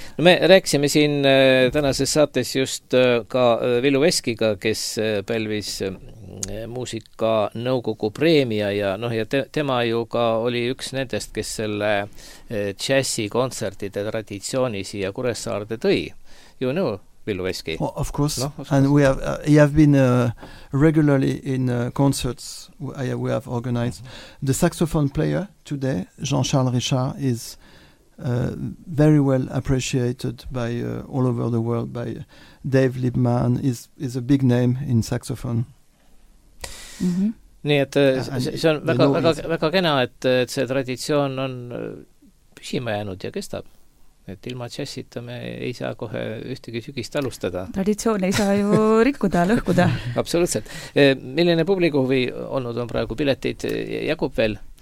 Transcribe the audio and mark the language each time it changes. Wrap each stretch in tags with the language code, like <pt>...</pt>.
<et>No, me rääkisime siin tänases saates just ka Villu Veskiga, kes pälvis muusika nõukogu preemia ja noh, ja tema ju ka oli üks nendest, kes selle jazzi kontsertide traditsiooni siia Kuressaarde tõi.</et> <en>You know, Villu Veski? Well, of course. No, of course. And we have been regularly in concerts we have organized. The saxophone player today, Jean-Charles Richard, is very well appreciated by all over the world by Dave Liebman, is a big name in saxophone.</en> <et>Nii et see on väga, väga, väga kena, et see traditsioon on püsima jäänud ja kestab. Et ilma jazzita me ei saa kohe ühtegi sügist alustada. Traditsioon ei saa ju rikkuda, lõhkuda. Absoluutselt. Milline publiku huvi olnud on praegu? Piletid jagub veel?</et>